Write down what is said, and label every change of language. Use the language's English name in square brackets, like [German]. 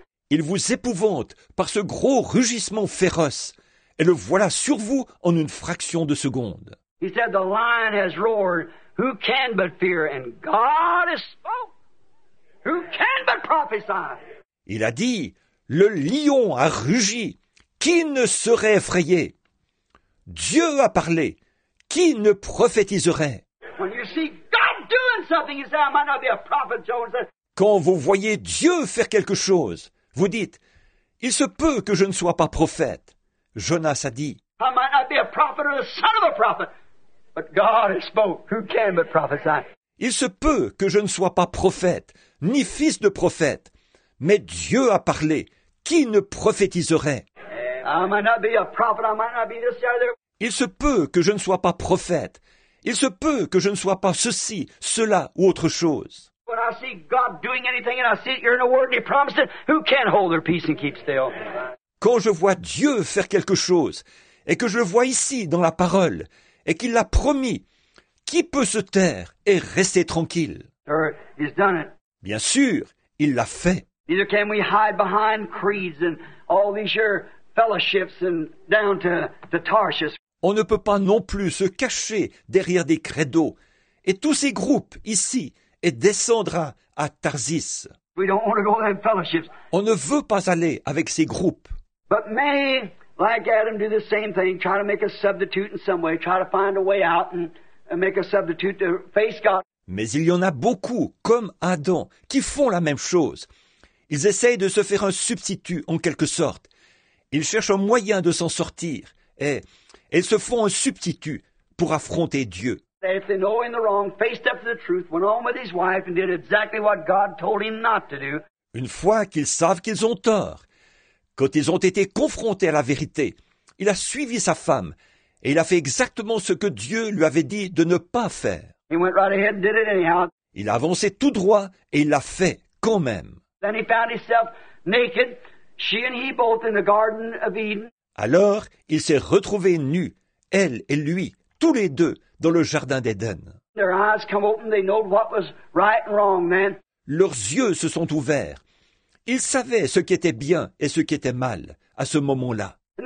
[French] Il vous épouvante par ce gros rugissement féroce et le voilà sur vous en une fraction de seconde. [English] He said, the lion has roared. Who can but fear? And God has spoken. Who can but prophesy? [French] Il a dit, le lion a rugi. Qui ne serait effrayé? Dieu a parlé. Qui ne prophétiserait? [English] When you see God doing something, you say, I might not be a prophet, Joseph. [French] Quand vous voyez Dieu faire quelque chose, vous dites, il se peut que je ne sois pas prophète. Jonas a dit, [English] I might not be a prophet or the son of a prophet. But God has spoke. Who can but prophesy? [French] Il se peut que je ne sois pas prophète, ni fils de prophète, mais Dieu a parlé. Qui ne prophétiserait? [English] I might not be a prophet. I might not be this or that. [French] Il se peut que je ne sois pas prophète. Il se peut que je ne sois pas ceci, cela ou autre chose. [English] When I see God doing anything and I see it here in the Word and He promised it, who can hold their peace and keep still? [French] Quand je vois Dieu faire quelque chose et que je le vois ici dans la parole, et qu'il l'a promis, qui peut se taire et rester tranquille? [English] Sir, he's done it. [French] Bien sûr, il l'a fait. [English] Neither can we hide behind creeds and all these your fellowships and down to Tarshish. [French] On ne peut pas non plus se cacher derrière des credos et tous ces groupes ici et descendre à Tarsis. [English] We don't want to go to them fellowships. [French] On ne veut pas aller avec ces groupes. [English] But many, like Adam, do the same thing, try to make a substitute in some way, try to find a way out and make a substitute to face God. [French] Mais il y en a beaucoup, comme Adam, qui font la même chose. Ils essayent de se faire un substitut, en quelque sorte. Ils cherchent un moyen de s'en sortir, et ils se font un substitut pour affronter Dieu. [English] If they know in the wrong, faced up to the truth, went home with his wife and did exactly what God told him not to do. [French] Une fois qu'ils savent qu'ils ont tort, quand ils ont été confrontés à la vérité, il a suivi sa femme et il a fait exactement ce que Dieu lui avait dit de ne pas faire. [English] He went right ahead and did it anyhow. [French] Il a avancé tout droit et il l'a fait quand même. [English] Then he found himself naked, she and he both in the Garden of Eden. [French] Alors, il s'est retrouvé nu, elle et lui, tous les deux, dans le Jardin d'Éden. [English] Their eyes come open, they know what was right and wrong, man. [French] Leurs yeux se sont ouverts. Il savait ce qui était bien et ce qui était mal à ce moment-là.